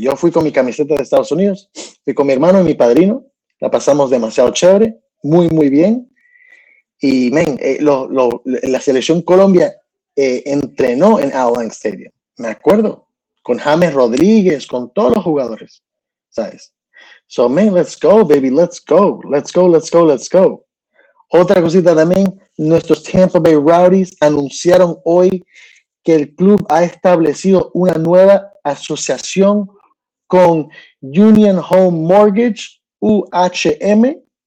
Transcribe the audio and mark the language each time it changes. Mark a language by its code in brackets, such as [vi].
[es] Yo fui con mi camiseta de Estados Unidos, fui con mi hermano y mi padrino. La pasamos demasiado chévere, muy, muy bien. Y, men, la selección Colombia entrenó en Allen Stadium. Me acuerdo. Con James Rodríguez, con todos los jugadores, ¿sabes? [en] So, men, let's go, baby, let's go. Let's go, let's go, let's go. [es] Otra cosita también. Nuestros Tampa Bay Rowdies anunciaron hoy que el club ha establecido una nueva asociación con Union Home Mortgage, UHM,